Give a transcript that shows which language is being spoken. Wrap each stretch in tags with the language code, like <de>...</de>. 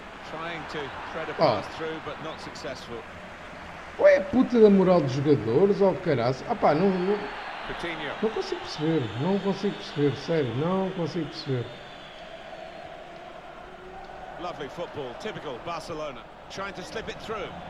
<en>Trying to thread a pass through, but not successful.</en> <pt>Ou é a puta da moral dos jogadores, ou caralho. Ah, pá, não consigo perceber. Sério, não consigo perceber.</pt> <en>Lovely football, typical Barcelona, trying to slip it through.</en>